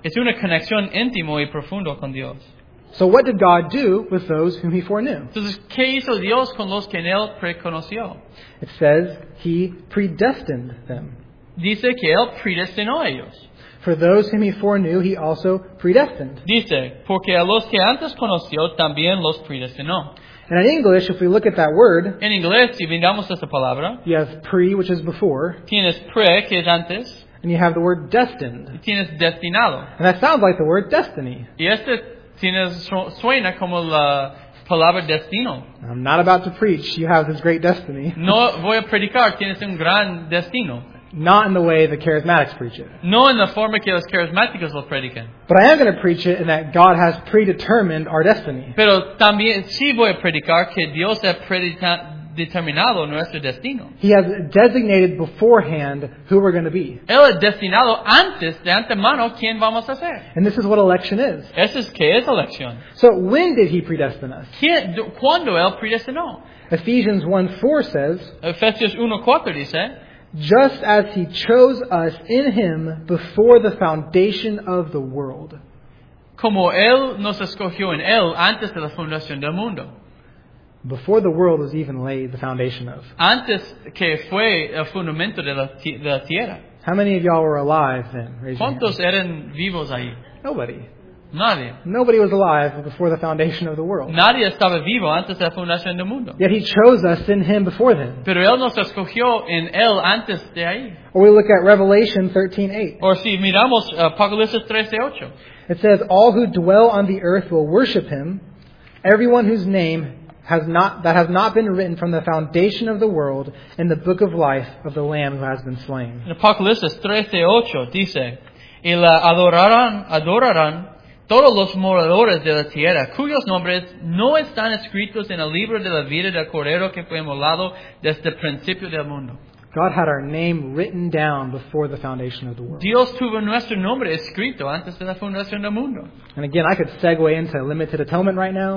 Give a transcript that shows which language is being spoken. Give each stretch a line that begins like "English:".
Spanish: Es una conexión íntimo y profundo con Dios.
English: So what did God do with those whom he foreknew?
Spanish: Entonces, ¿qué hizo Dios con los que él preconoció?
English: It says he predestined them.
Spanish: Dice que él predestinó a ellos.
English: For those whom he foreknew, he also predestined.
Spanish: Dice, porque a los que antes conoció, también los predestinó.
English: And in English, if we look at that word,
Spanish: en inglés, si miramos esta palabra,
English: you have pre, which is before.
Spanish: Tienes pre, que es antes.
English: And you have the word destined.
Spanish: Y tienes destinado.
English: And that sounds like the word destiny.
Spanish: Y este suena como la palabra destino.
English: I'm not about to preach. You have this great destiny.
Spanish: No voy a predicar. Tienes un gran destino.
English: Not in the way the charismatics preach it.
Spanish: No en la forma que los carismáticos lo predican.
English: But I am going to preach it in that God has predetermined our destiny.
Spanish: Pero también sí voy a predicar que Dios ha predeterminado nuestro destino.
English: He has designated beforehand who we're going to be.
Spanish: Él ha destinado antes, de antemano, quién vamos a ser.
English: And this is what election is.
Spanish: Eso es que es elección.
English: So when did he predestine us?
Spanish: ¿Cuándo él predestinó?
English: Ephesians 1:4 says,
Spanish: Efesios 1:4 dice,
English: just as he chose us in him before the foundation of the world.
Spanish: Como él nos escogió en él antes de la fundación del mundo.
English: Before the world was even laid the foundation of.
Spanish: Antes que fue el fundamento de la tierra.
English: How many of y'all were alive then?
Spanish: ¿Cuántos eran vivos ahí?
English: Nobody.
Spanish: Nadie.
English: Nobody was alive before the foundation of the world.
Spanish: Nadie estaba vivo antes de la fundación del mundo.
English: Yet he chose us in him before then.
Spanish: Pero él nos escogió en él antes de ahí.
English: Or we look at Revelation 13:8.
Spanish: Or si miramos Apocalipsis 13:8.
English: It says, all who dwell on the earth will worship him, everyone whose name has not been written from the foundation of the world in the book of life of the Lamb who has been slain.
Spanish: En Apocalipsis 13:8 dice, y la adorarán todos los moradores de la tierra, cuyos nombres no están escritos en el libro de la vida del Cordero que fue inmolado desde el principio del mundo.
English: God had our name written down before the foundation of the world.
Spanish: Dios tuvo nuestro nombre escrito antes de la fundación del mundo.
English: And again, I could segue into limited atonement right now.